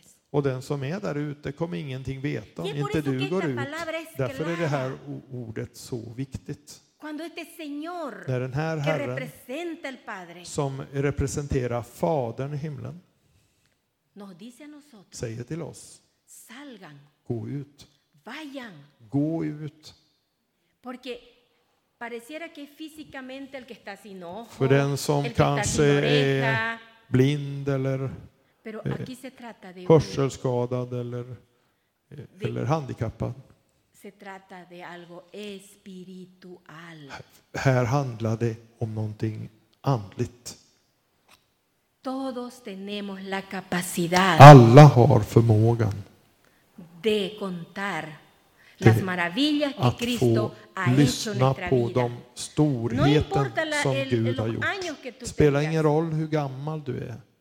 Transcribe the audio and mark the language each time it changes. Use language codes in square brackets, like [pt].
[sv] Och den som är där ute kommer ingenting veta om inte du går ut. Därför är det här ordet så viktigt. [es] Cuando este señor [sv] när den här herren [es] que representa el padre, [sv] som representerar fadern i himlen [es] nos dice a nosotros, [sv] säger till oss [es] salgan, [sv] gå ut, [es] vayan, [sv] gå ut. [es] Porque pareciera que físicamente el que está sin ojo, [sv] för den som kanske är blind eller [es] pero aquí se trata de [sv] hörselskadad eller handikappad. [es] Se trata de algo espiritual. [sv] Här handlar det om någonting andligt. [es] Todos tenemos la capacidad. [sv] Alla har förmågan. [es] De contar las maravillas que Cristo ha hecho en nuestra vida. [sv] De storheten som Gud har gjort. Spelar ingen roll hur gammal du är.